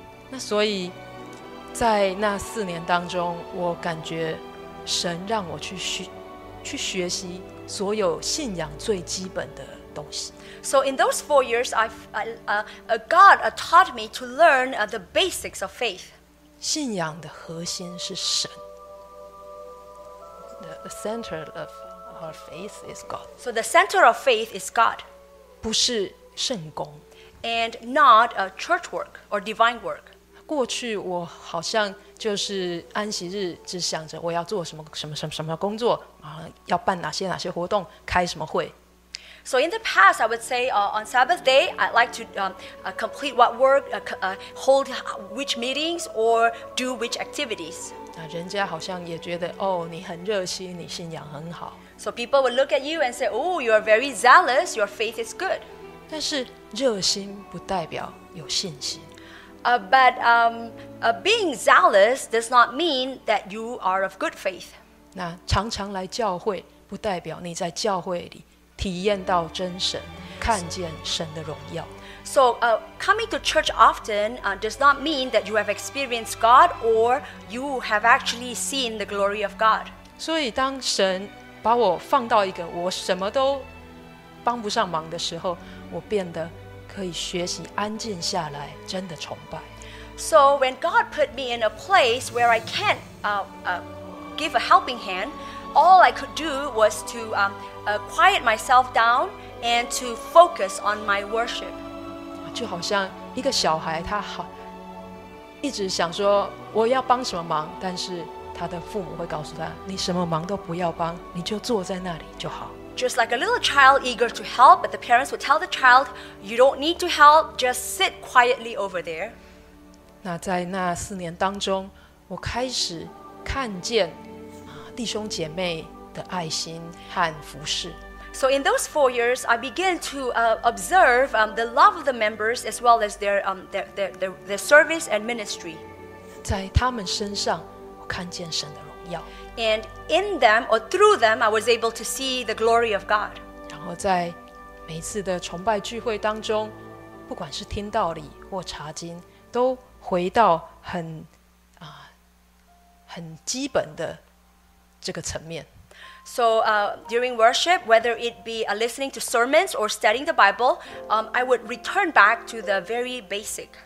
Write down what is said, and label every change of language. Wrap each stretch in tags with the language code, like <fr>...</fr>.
<zh>那所以在那四年当中，我感觉神让我去学习所有信仰最基本的东西。</zh> <en>So in those 4 years, God taught me to learn the basics of faith.</en> <zh>信仰的核心是神。</zh> <en>The center ofOur faith is God. So the center of faith is God.</en> <zh>不是圣工。</zh> <en>And not a church work or divine work.</en> <zh>过去我好像就是安息日只想着我要做什么什么什么什么工作，要办哪些活动，开什么会。</zh> <en>So in the past, I would say on Sabbath day, I'd like to complete what work, hold which meetings or do which activities.</en> <zh>人家好像也觉得哦，你很热心，你信仰很好。</zh> <en>So people would look at you and say, oh, you are very zealous, your faith is good.</en> <zh>但是热心不代表有信心。</zh> <en>Being zealous does not mean that you are of good faith.</en> <zh>那常常来教会不代表你在教会里体验到真神，看见神的荣耀。</zh> <en>So coming to church often does not mean that you have experienced God or you have actually seen the glory of God.</en> <zh>所以当神把我放到一个我什么都帮不上忙的时候，我变得可以学习安静下来，真的崇拜。</zh> <en>So when God put me in a place where I can't give a helping hand, all I could do was to quiet myself down and to focus on my worship.</en> <zh>就好像一个小孩，他好一直想说我要帮什么忙，但是他的父母会告诉他，你什么忙都不要帮，你就坐在那里就好。</zh> <en>Just like a little child eager to help, but the parents would tell the child, you don't need to help, just sit quietly over there.</en> <zh>那在那四年当中，我开始看见弟兄姐妹的爱心和服事。</zh> <en>So in those 4 years, I began to observe the love of the members as well as their service and ministry.</en> <zh>在他们身上看见神的荣耀。</zh> <en>And in them or through them I was able to see the glory of God.</en> <zh>然后在每次的崇拜聚会当中，不管是听道理或查经，都回到很基本的这个层面。</zh> <en>So during worship, whether it be listening to sermons or studying the Bible, I would return back to the very basic.</en>